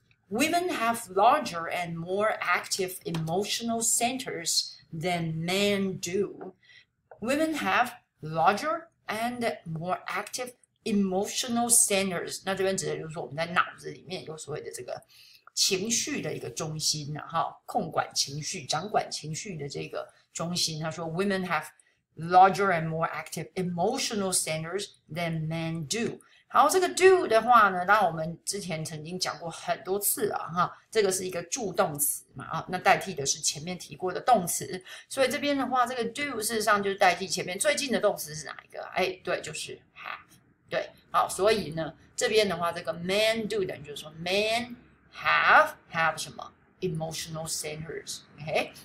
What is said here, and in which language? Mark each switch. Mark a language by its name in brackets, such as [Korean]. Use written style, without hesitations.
[English] Women have larger and more active emotional centers than men do. Women have larger and more active emotional centers. [Chinese] 那这边指的就是说，我们在脑子里面有所谓的这个情绪的一个中心呢，哈，控管情绪、掌管情绪的这个中心。他说， [English] Women have larger and more active emotional centers than men do. [Chinese] 好，这个 do 的话呢，当我们之前曾经讲过很多次了哈，这个是一个助动词嘛啊，那代替的是前面提过的动词，所以这边的话，这个 do 事实上就是代替前面最近的动词是哪一个？哎，对，就是 have。对，好，所以呢，这边的话，这个 [English] men do [Chinese] 等于就是说 [English] men have [Chinese] 什么 [English] emotional centers？ [Chinese] OK，okay？